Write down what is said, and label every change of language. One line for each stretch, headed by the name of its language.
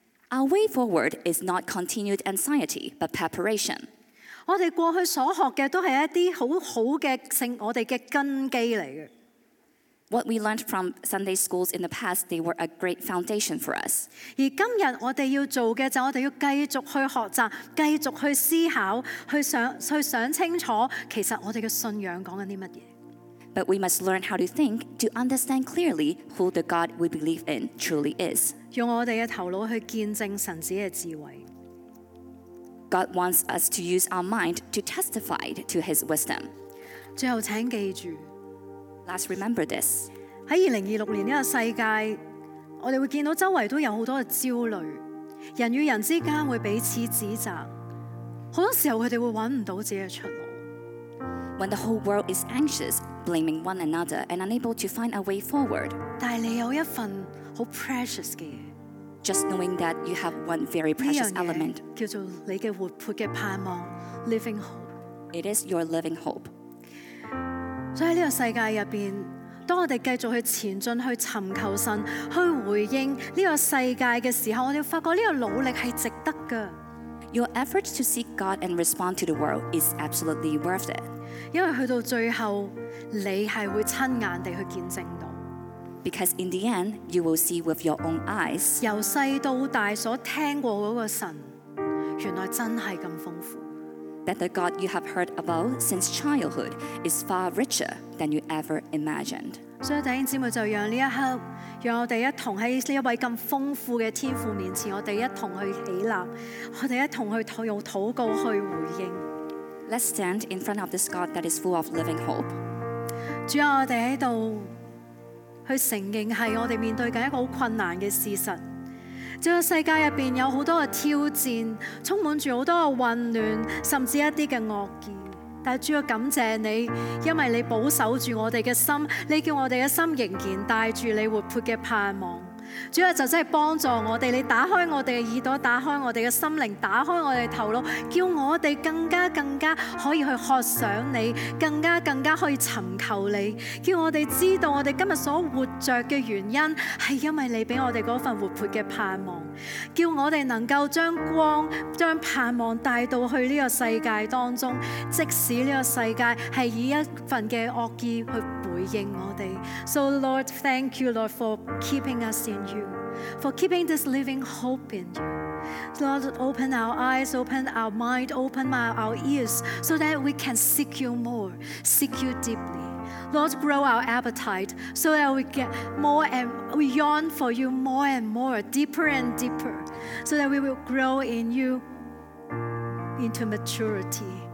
English: Our way forward is not continued anxiety, but preparation.
Chinese: 我们过去所学的都是一些很好的我们的根基来的。
English: What we learned from Sunday schools in the past, they were a great foundation for us.
Chinese: 而今天我们要做的就是我们要继续去学习，继续去思考，去想清楚其实我们的信仰讲了什么。
English: But we must learn how to think to understand clearly who the God we believe in truly is.
Chinese: 用我们的头脑去见证神子的智慧。
English: God wants us to use our mind to testify to his wisdom.
Chinese: 最后请记住，
English: Let's remember this.
Chinese: 在2026年这个世界，我们会见到周围都有很多的焦虑，人与人之间会彼此指责，很多时候他们会找不到自己的出路。
English: When the whole world is anxious, blaming one another and unable to find a way forward.
Chinese: 但你有一份很 precious 的东西，
English: Just knowing that you have one very precious element.
Chinese: 这个叫做你的活泼的盼望，
English: living hope. It is your living hope.
Chinese: 所以在这个世界里面，当我们继续去前进，去寻求神，去回应这个世界的时候，我们发觉这个努力是值得的。
English: Your effort to seek God and respond to the world is absolutely worth it.
Chinese: 因为去到最后，你是会亲眼地去见证到。
English: Because in the end, you will see with your own eyes.
Chinese: 由细到大所听过的那个神，原来真是这么丰富。
English: That the God you have heard about since childhood is far richer than you ever imagined.
Chinese: So, 弟兄姊妹，就让这一刻，让我们一同在这位这么丰富的天父面前，我们一同去起立，我们一同去用祷告去回应。
English: Let's stand in front of this God that is full of living hope.
Chinese: 主啊，我们在这里去承认是我们面对一个很困难的事实。这个世界里面有很多的挑战，充满着很多的混乱，甚至一些的恶意。但是主要感谢你，因为你保守着我们的心，你叫我们的心仍然带着你活泼的盼望。主要就真的帮助我们，你打开我们的耳朵，打开我们的心灵，打开我们的头脑，叫我们更加更加可以去渴想你，更加更加可以寻求你，叫我们知道我们今天所活着的原因是因为你给我们那份活泼的盼望，叫我们能够将光将盼望带到去这个世界当中，即使这个世界是以一份的恶意去回应我们。
English: So Lord, thank you Lord for keeping us in you, for keeping this living hope in you. Lord, open our eyes, open our mind, open our ears so that we can seek you more, seek you deeply. Lord, grow our appetite so that we get more and we yearn for you more and more, deeper and deeper, so that we will grow in you into maturity.